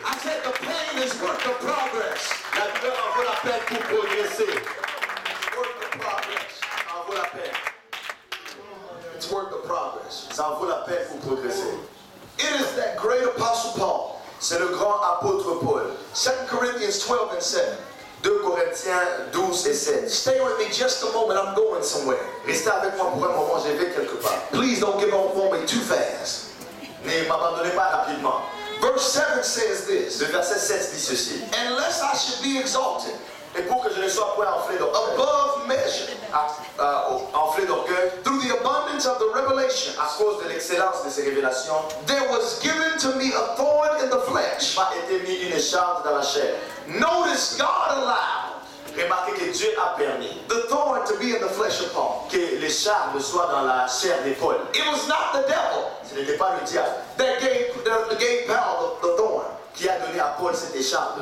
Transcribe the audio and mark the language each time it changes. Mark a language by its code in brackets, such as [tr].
[en] I said the pain is worth the progress. [fr] La douleur en vaut la peine pour progresser. [en] It's worth the progress. [fr] En vaut la peine. [en] It's worth the progress. [fr] Ça en vaut la peine pour progresser. [en] It is that great apostle Paul. [fr] C'est le grand apôtre Paul. [en] 2 Corinthians 12:7. [fr] 2 Corinthiens 12 et 7. [en] Stay with me just a moment, I'm going somewhere. [fr] Restez avec moi pour un moment, je vais quelque part. [en] Please don't give up on me too fast. [fr] Ne m'abandonnez pas rapidement. [en] Verse 7 says this. [fr] Le verset 7 dit ceci. [en] Unless I should be exalted. [fr] Et pour que je ne sois point enflé d'orgueil. [en] Above measure. [fr] Enflé d'orgueil. [en] Through the abundance of the revelation. [fr] À cause de l'excellence de ces révélations. [en] There was given to me a thorn in the flesh. [fr] M'a été mis une écharpe dans la chair. [en] Notice God allowed. [fr] Remarquez que Dieu a permis. [en] The thorn to be in the flesh of Paul. [fr] Que l'écharpe soit dans la chair de Paul. [en] It was not the devil. [fr] Ce n'était pas le diable. [en] That gave Paul the thorn. [fr] Qui a donné à Paul cette écharpe.